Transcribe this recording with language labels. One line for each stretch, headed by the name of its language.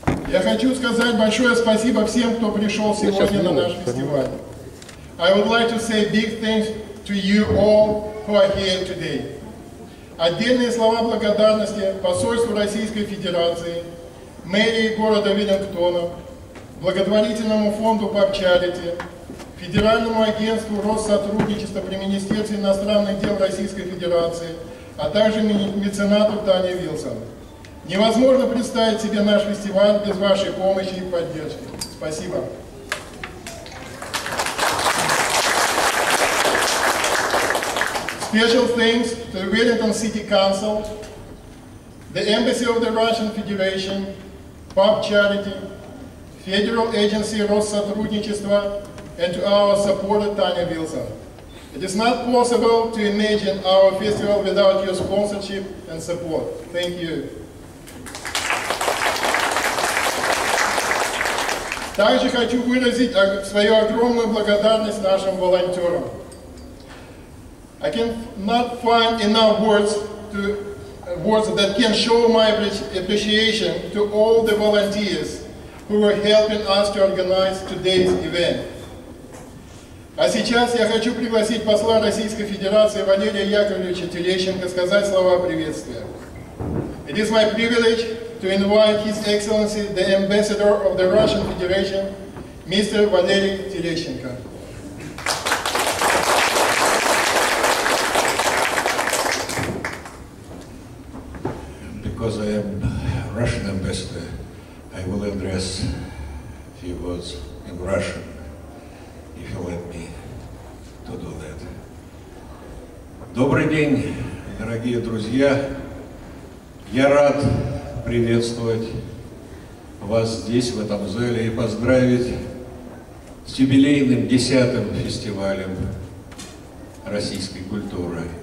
Russian: Я хочу сказать большое спасибо всем, кто пришел сегодня на наш фестиваль.
English: I would like to say big thanks to you all who are here today.
Russian: Отдельные слова благодарности посольству Российской Федерации, мэрии города Веллингтона, благотворительному фонду Pub Charity, Федеральному агентству Россотрудничества при Министерстве иностранных дел Российской Федерации, а также меценату Тане Вилсон. Невозможно представить себе наш фестиваль без вашей помощи и поддержки. Спасибо.
English: Special thanks to the Wellington City Council, the Embassy of the Russian Federation, Pub Charity, Federal Agency Россотрудничества, and to our supporter Tanya Wilson. It is not possible to imagine our festival without your sponsorship and support. Thank you.
Russian: Также хочу выразить свою огромную благодарность нашим волонтерам.
English: I cannot find enough words that can show my appreciation to all the volunteers who were helping us to organize today's event.
Russian: А сейчас я хочу пригласить посла Российской Федерации Валерия Яковлевича Терещенко сказать слова приветствия.
English: It is my privilege to invite His Excellency the Ambassador of the Russian Federation, Mr. Valery Терещенко. Because I am Russian ambassador, I will address a few words in Russian, if you let me to do that.
Russian: Добрый день, дорогие друзья. Я рад приветствовать вас здесь, в этом зале, и поздравить с юбилейным 10-м фестивалем российской культуры.